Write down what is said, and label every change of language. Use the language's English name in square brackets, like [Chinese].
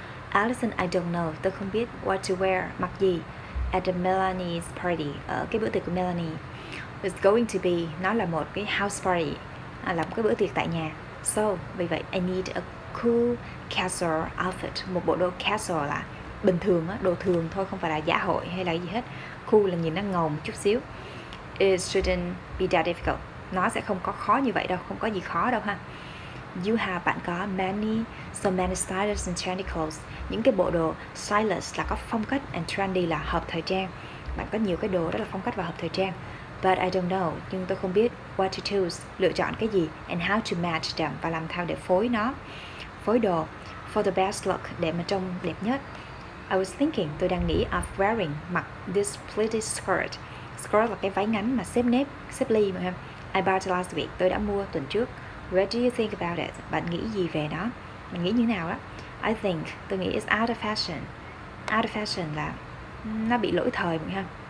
[Vietnamese] Allison, [English] I don't know, [Vietnamese] tôi không biết [English] what to wear, [Vietnamese] mặc gì [English] at the Melanie's party, [Vietnamese] ở cái bữa tiệc của Melanie. [English] It's going to be, [Vietnamese] nó là một cái [English] house party, [Vietnamese] là một cái bữa tiệc tại nhà. [English] So, [Vietnamese] vì vậy, [English] I need a cool casual outfit, [Vietnamese] một bộ đồ casual là bình thường á, đồ thường thôi, không phải là dạ hội hay là gì hết. Cool là nhìn nó ngầu một chút xíu. [English] It shouldn't be that difficult. [Vietnamese] Nó sẽ không có khó như vậy đâu, không có gì khó đâu ha. [English] You have, [Vietnamese] bạn có [English] many, so many styles and trendy clothes. [Vietnamese] Những cái bộ đồ stylish là có phong cách, [English] and trendy [Vietnamese] là hợp thời trang. Bạn có nhiều cái đồ rất là phong cách và hợp thời trang. [English] But I don't know, [Vietnamese] nhưng tôi không biết [English] what to choose, [Vietnamese] lựa chọn cái gì, [English] and how to match them, [Vietnamese] và làm sao để phối nó, phối đồ [English] for the best look, [Vietnamese] để mà trông đẹp nhất. [English] I was thinking, [Vietnamese] tôi đang nghĩ [English] of wearing, [Vietnamese] mặc [English] this pleated skirt. [Vietnamese] Skirt là cái váy ngắn mà xếp nếp, xếp ly mà. [English] I bought it last week, [Vietnamese] tôi đã mua tuần trước. [English] What do you think about it? [Vietnamese] Bạn nghĩ gì về nó? Bạn nghĩ như nào đó? [English] I think, [Vietnamese] tôi nghĩ [English] it's out of fashion. Out of fashion [Vietnamese] là nó bị lỗi thời mà ha.